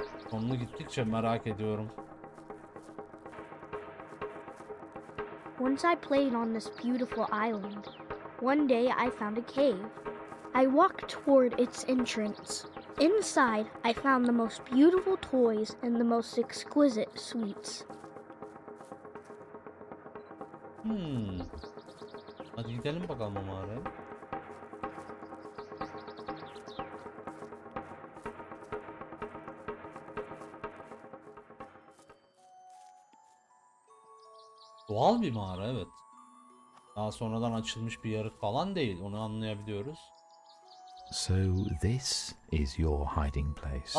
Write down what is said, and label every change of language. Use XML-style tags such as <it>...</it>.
<tr>Sonunu gittikçe merak ediyorum.</tr> <en>Once I played on this beautiful island. One day I found a cave. I walked toward its entrance. Inside, I found the most beautiful toys and the most exquisite sweets.</en> <tr>Hadi gidelim bakalım mağaraya. Doğal bir mağara, evet. Daha sonradan açılmış bir yarık falan değil, onu anlayabiliyoruz.</tr> <en>So this is your hiding place.</en>